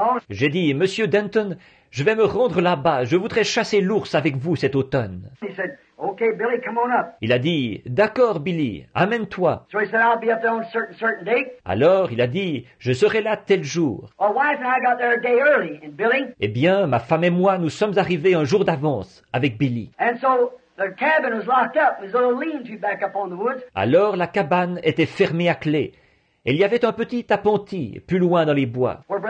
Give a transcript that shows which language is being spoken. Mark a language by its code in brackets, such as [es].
[fr] J'ai dit, Monsieur Denton, je vais me rendre là-bas. Je voudrais chasser l'ours avec vous cet automne. [en] Okay, Billy, come on up. [fr] Il a dit, d'accord, Billy, amène-toi. [en] So he said, I'll be up there on a certain date. [fr] Alors, il a dit, je serai là tel jour. [en] Our wife and I got there a day early, and Billy. [fr] Eh bien, ma femme et moi, nous sommes arrivés un jour d'avance avec Billy. [en] And so the cabin was locked up. It was a little lean-to back up on the woods. [fr] Alors, la cabane était fermée à clé. Et il y avait un petit appentis plus loin dans les bois.